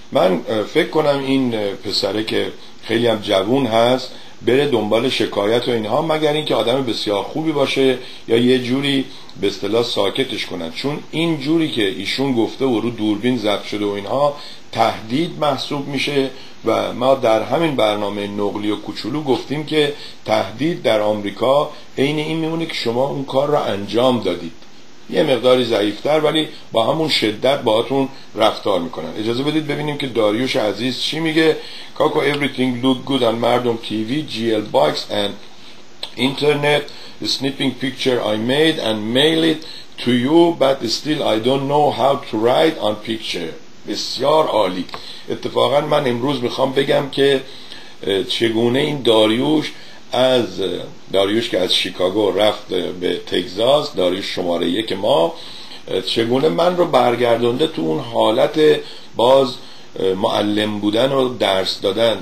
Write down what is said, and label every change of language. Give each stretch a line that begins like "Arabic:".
Persian: من فکر کنم این پسره که خیلی هم جوون هست بره دنبال شکایت و اینها، مگر اینکه آدم بسیار خوبی باشه یا یه جوری به اصطلاح ساکتش کنن، چون این جوری که ایشون گفته و رو دوربین ضبط شده و اینها تهدید محسوب میشه و ما در همین برنامه نقلی و کوچولو گفتیم که تهدید در آمریکا عین این میمونه که شما اون کار رو انجام دادید، یه مقداری ضعیف‌تر ولی با همون شدت باهاتون رفتار میکنن. اجازه بدید ببینیم که داریوش عزیز چی میگه. کاکو
English: everything look good on Mardom TV, GL bikes and internet, the snipping picture I made and mail it to you, but still I don't know how to write on picture.
Persian: بسیار عالی. اتفاقا من امروز میخوام بگم که چگونه این داریوش، از داریوش که از شیکاگو رفت به تگزاس، داریوش شماره یک ما، چگونه من رو برگردونده تو اون حالت باز معلم بودن و درس دادن.